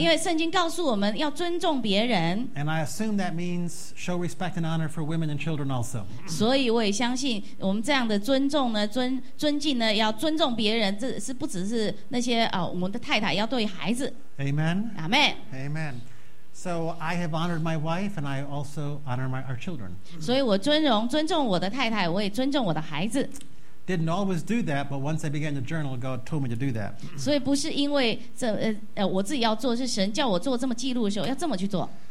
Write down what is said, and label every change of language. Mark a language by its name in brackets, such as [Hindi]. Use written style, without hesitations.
[Chinese] 因为圣经告诉我们要尊重别人。 [English] And I assume that means show respect and honor for women and children also. [Chinese] 所以我也相信我们这样的尊重呢，尊敬呢，要尊重别人，这是不只是那些我们的太太要对孩子。 [English] Amen. Amen. Amen. So I have honored my wife, and I also honor our children. [Chinese] 所以我尊重我的太太，我也尊重我的孩子。 [English] Didn't always do that, but once I began to journal, God told me to do that. [Chinese] 所以不是因为这我自己要做，是神叫我做这么记录的时候要这么去做。